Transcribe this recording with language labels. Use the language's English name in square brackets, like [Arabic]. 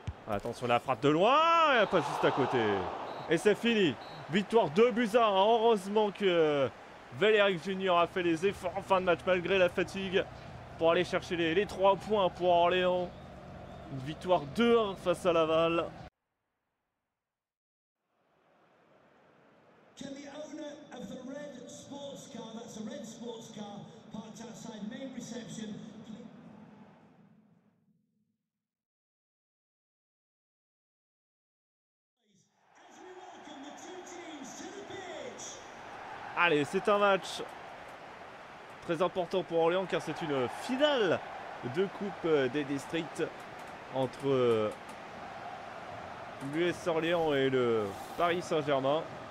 [French] Attention, la frappe de loin, et pas juste à côté. Et c'est fini. Victoire 2 buts à 1. Heureusement que Valéric Junior a fait les efforts en fin de match malgré la fatigue pour aller chercher les 3 points pour Orléans. Une victoire 2-1 face à Laval. [English] Can the owner of the red sports car, that's a red sports car, parked outside main reception. As we welcome the two teams to the pitch. [French] Allez, c'est un match très important pour Orléans car c'est une finale de Coupe des Districts. Entre l'US Orléans et le Paris Saint-Germain.